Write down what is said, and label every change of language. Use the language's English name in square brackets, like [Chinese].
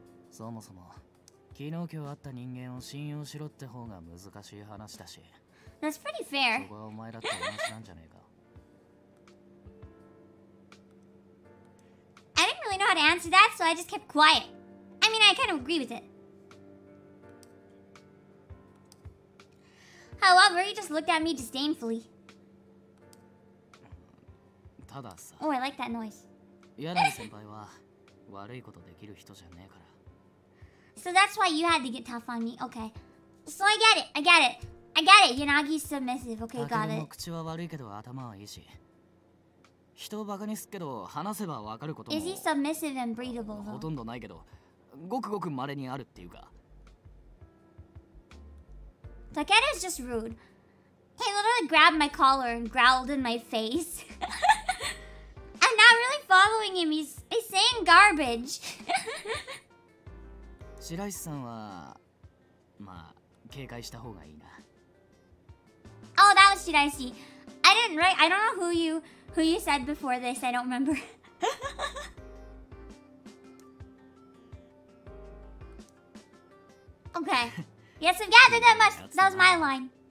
[Japanese] So, もそも、昨日今日会った人間を信用しろって方が難しい話だし。 [English] That's pretty fair. [Japanese] そこはお前だって同じなんじゃねえか。 [English] I didn't really know how to answer that, so I just kept quiet. I mean, I kind of agree with it. However, he just looked at me disdainfully. [Japanese] たださ。 [English] Oh, I like that noise. [Japanese] 柳先輩は悪いことできる人じゃねえから。 [English] So that's why you had to get tough on me. Okay. So I get it. I get it. I get it, Yanagi's submissive. Okay, got it. [Japanese] 口は悪いけど頭はいいし。人をバカにすけど話せばわかることも。 [English] Is he submissive and breathable? [Japanese] ほとんどないけど、ごくごく稀にあるっていうか。 [English] Takeda is just rude. He literally grabbed my collar and growled in my face. I'm not really following him. He's saying garbage. [Japanese] 白石さんは、まあ警戒した方がいいな。 [English] Oh, that was Shiraishi. I didn't write. I don't know who you said before this. I don't remember. Okay. Yes, I've gathered that much. That was my line.